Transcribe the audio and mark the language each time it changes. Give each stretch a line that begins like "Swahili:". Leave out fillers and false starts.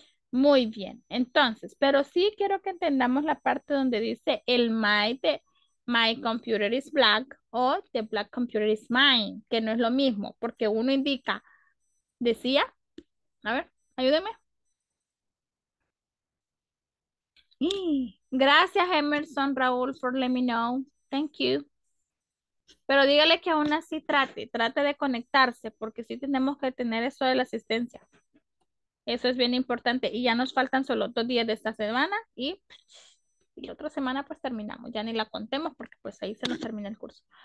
Spanish: Muy bien, entonces, pero sí quiero que entendamos la parte donde dice el
English: my computer is black
Spanish: o
English: the black computer is mine,
Spanish: que no es lo mismo, porque uno indica, decía, a ver, ayúdeme. Gracias Emerson, Raúl,
English: for let me know, thank you.
Spanish: Pero dígale que aún así trate de conectarse, porque sí tenemos que tener eso de la asistencia. Eso es bien importante. Y ya nos faltan solo 2 días de esta semana y otra semana pues terminamos. Ya ni la contemos porque pues ahí se nos termina el curso.